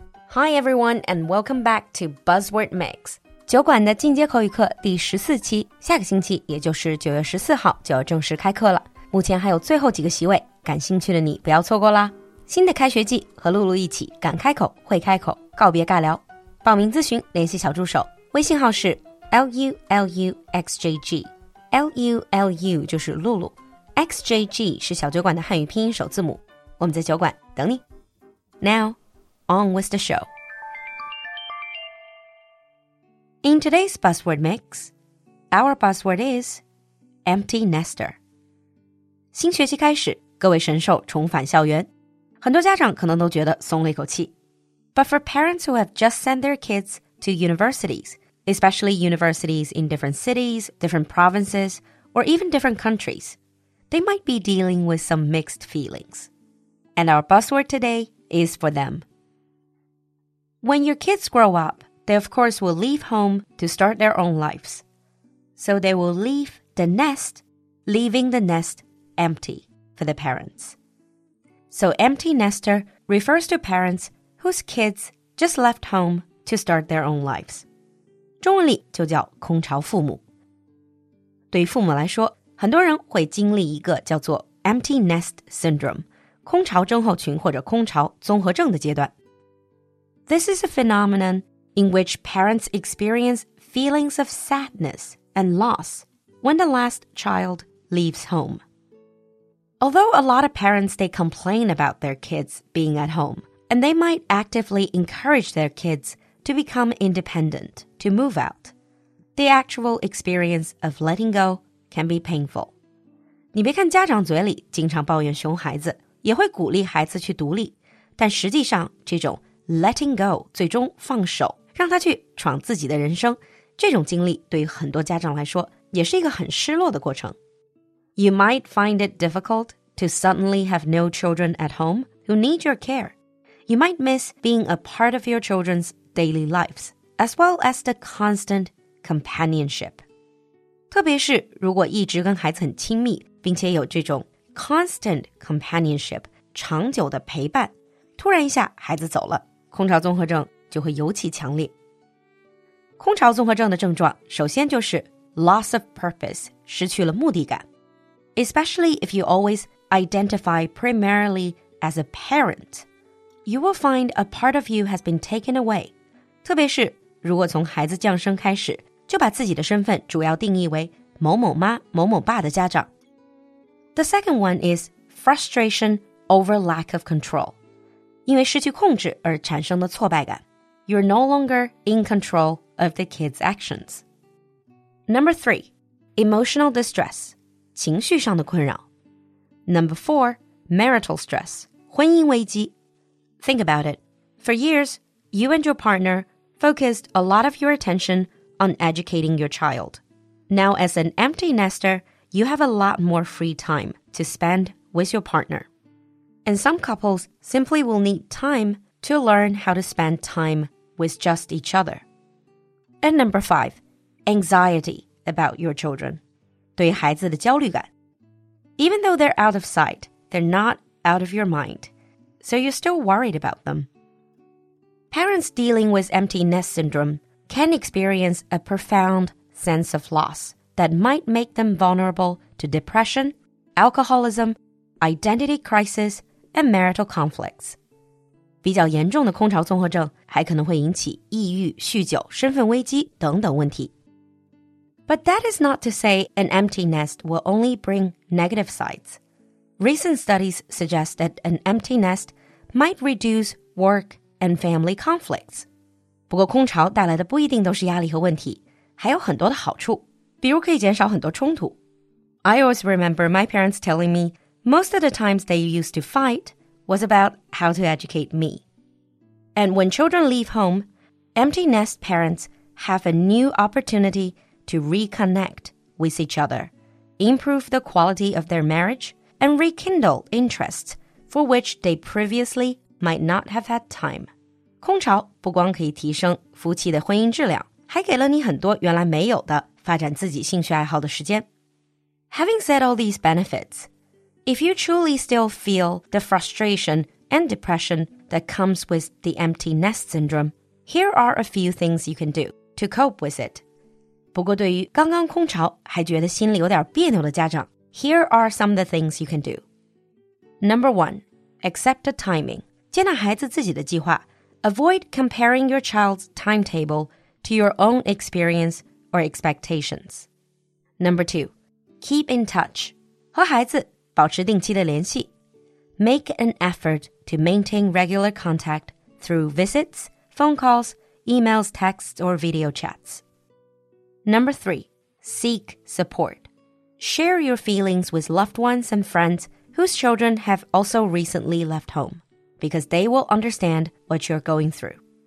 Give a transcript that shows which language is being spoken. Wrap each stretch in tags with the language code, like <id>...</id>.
<en>Hi everyone, and welcome back to Buzzword Mix.</en> <zh>酒馆的进阶口语课第14期，下个星期也就是9月14号就要正式开课了。目前还有最后几个席位，感兴趣的你不要错过啦。新的开学季，和露露一起敢开口，会开口，告别尬聊。报名咨询，联系小助手，微信号是 LULUXJG。 LULU 就是露露， XJG 是小酒馆的汉语拼音首字母。我们在酒馆等你。</zh> <en>Now,on with the show. In today's buzzword mix, our buzzword is empty nester.</en> <zh>新学期开始，各位神兽重返校园，很多家长可能都觉得松了一口气。</zh> <en>But for parents who have just sent their kids to universities, especially universities in different cities, different provinces, or even different countries, they might be dealing with some mixed feelings. And our buzzword today is for them. When your kids grow up, they of course will leave home to start their own lives. So they will leave the nest, leaving the nest empty for the parents. So empty nester refers to parents whose kids just left home to start their own lives.</en> <zh>中文里就叫空巢父母。对于父母来说，很多人会经历一个叫做 empty nest syndrome, 空巢症候群或者空巢综合症的阶段。</zh> <en>This is a phenomenon in which parents experience feelings of sadness and loss when the last child leaves home. Although a lot of parents, they complain about their kids being at home, and they might actively encourage their kids to become independent, to move out, the actual experience of letting go can be painful.</en> <zh>你别看家长嘴里经常抱怨熊孩子，也会鼓励孩子去独立，但实际上这种Letting go, 最终放手，让他去闯自己的人生。这种经历对于很多家长来说，也是一个很失落的过程。</zh> <en>You might find it difficult to suddenly have no children at home who need your care. You might miss being a part of your children's daily lives, as well as the constant companionship.</en> <zh>特别是如果一直跟孩子很亲密，并且有这种 constant companionship, 长久的陪伴，突然一下孩子走了。空巢综合症就会尤其强烈。空巢综合症的症状首先就是</zh> <en>loss of purpose,</en> <zh>失去了目的感。</zh> <en>Especially if you always identify primarily as a parent, you will find a part of you has been taken away.</en> <zh>特别是如果从孩子降生开始就把自己的身份主要定义为某某妈某某爸的家长。</zh> <en>The second one is frustration over lack of control.</en> <zh>因为失去控制而产生的挫败感。</zh> <en>You're no longer in control of the kids' actions. Number three, emotional distress,</en> <zh>情绪上的困扰。</zh> <en>Number four, marital stress,</en> <zh>婚姻危机。</zh> <en>Think about it. For years, you and your partner focused a lot of your attention on educating your child. Now, as an empty nester, you have a lot more free time to spend with your partner. And some couples simply will need time to learn how to spend time with just each other. And number five, anxiety about your children.</en> <zh>对孩子的焦虑感。</zh> <en>Even though they're out of sight, they're not out of your mind. So you're still worried about them. Parents dealing with empty nest syndrome can experience a profound sense of loss that might make them vulnerable to depression, alcoholism, identity crisis,and marital conflicts.</en> <zh>比较严重的空巢综合症还可能会引起抑郁、酗酒、身份危机等等问题。</zh> <en>But that is not to say an empty nest will only bring negative sides. Recent studies suggest that an empty nest might reduce work and family conflicts.</en> <zh>不过空巢带来的不一定都是压力和问题，还有很多的好处，比如可以减少很多冲突。</zh> <en>I always remember my parents telling meMost of the times they used to fight was about how to educate me. And when children leave home, empty nest parents have a new opportunity to reconnect with each other, improve the quality of their marriage, and rekindle interests for which they previously might not have had time.</en> <zh>空巢不光可以提升夫妻的婚姻质量，还给了你很多原来没有的发展自己兴趣爱好的时间。</zh> <en>Having said all these benefits,If you truly still feel the frustration and depression that comes with the empty nest syndrome, here are a few things you can do to cope with it.</en> <zh>不过对于刚刚空巢还觉得心里有点别扭的家长</zh> <en>here are some of the things you can do. Number one, accept the timing.</en> <zh>接纳孩子自己的计划</zh> <en>Avoid comparing your child's timetable to your own experience or expectations. Number two, keep in touch.</en> <zh>和孩子保持定期的联系。</zh> <en>Make an effort to maintain regular contact through visits, phone calls, emails, texts, or video chats. Number three, seek support. Share your feelings with loved ones and friends whose children have also recently left home, because they will understand what you're going through.</en>